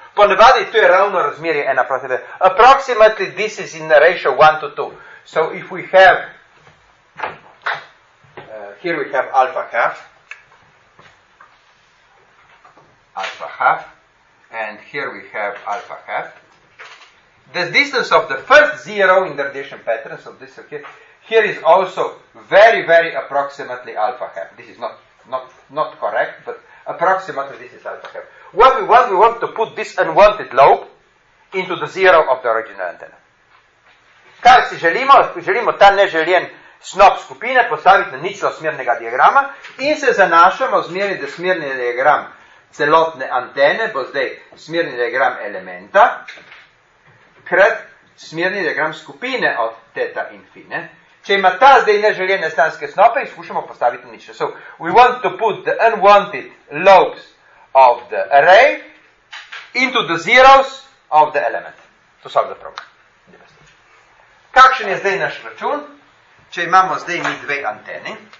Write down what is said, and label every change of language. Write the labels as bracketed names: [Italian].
[Slovenian] Ponavadi to je ravno razmerje ena proti dve. [English] Approximately this is in the ratio 1 to 2. So if we have, here we have alpha half, and here we have alpha half, the distance of the first zero in the radiation pattern, so this okay, here is also very, very approximately alpha half. This is not correct, but approximately this is alpha half. What we want, to put this unwanted lobe into the zero of the original antenna. [Slovenian] Kaj si želimo? Želimo ta neželjen snop skupine postaviti na ničlo smernega diagrama in se zanašamo zmeri, da smerni diagram celotne antene bo zdaj smerni diagram elementa, krat smerni diagram skupine od teta in fi. Ne? Če ima ta zdaj neželjene stanske snope, izkušamo postaviti nič. [English] So, we want to put the unwanted lobes of the array into the zeros of the element. [Slovenian] To so [English] the problem. [Slovenian] Kakšen je zdaj naš račun? Če imamo zdaj mi dve anteni.